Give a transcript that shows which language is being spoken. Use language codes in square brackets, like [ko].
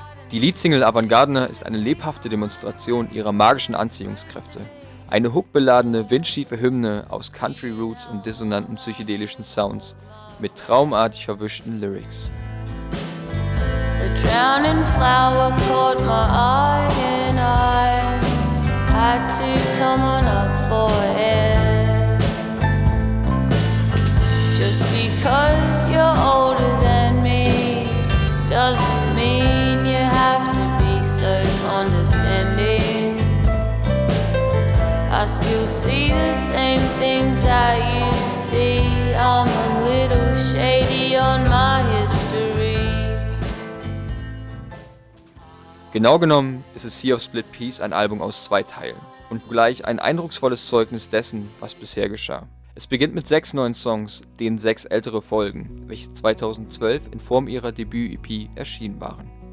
[de] Die Liedsingle Avantgardener ist eine lebhafte Demonstration ihrer magischen Anziehungskräfte. Eine hookbeladene, windschiefe Hymne aus Country Roots und dissonanten psychedelischen Sounds mit traumartig verwischten Lyrics. [en] The drowning flower caught my eye and I had to come on up for air. Just because you're older than me doesn't mean you have to be so condescending. I still see the same things that you see. I'm a little shady on my history. [de] Genau genommen ist es Sea of Split Peas ein Album aus zwei Teilen und gleich ein eindrucksvolles Zeugnis dessen, was bisher geschah. Es beginnt mit 6 neuen Songs, denen 6 ältere folgen, welche 2012 in Form ihrer Debüt-EP erschienen waren.